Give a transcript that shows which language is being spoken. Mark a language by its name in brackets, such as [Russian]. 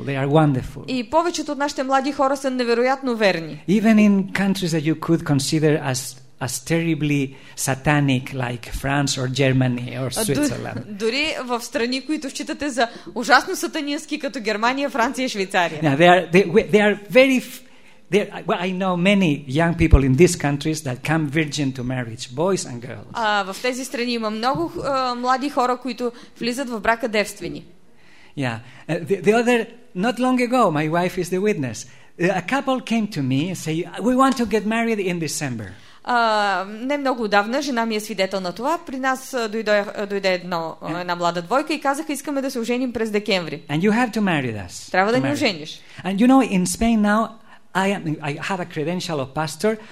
[English] They are wonderful. [Bulgarian] И повечето от нашите млади хора са невероятно верни. [English] Even in countries that you could consider as terribly satanic, like France or Germany or Switzerland. [Bulgarian] Дори в страни, които считате за ужасно сатанински, като Германия, Франция и Швейцария. [English] Yeah, well, I know many young people in these countries that come virgin to marriage, boys and girls. [Bulgarian] В тези страни има много млади хора, които влизат в брака девствени. [English] Yeah. The other not long ago, my wife is the witness. A couple came to me and say, "We want to get married in December." [Bulgarian] Не много отдавна жена ми е свидетел на това. При нас дойде една млада двойка и казаха, искаме да се оженим през декември. [English] And you have to marry us. [Bulgarian] Трябва да ни ожениш. [English] And you know, in Spain now, I have a credential of pastor.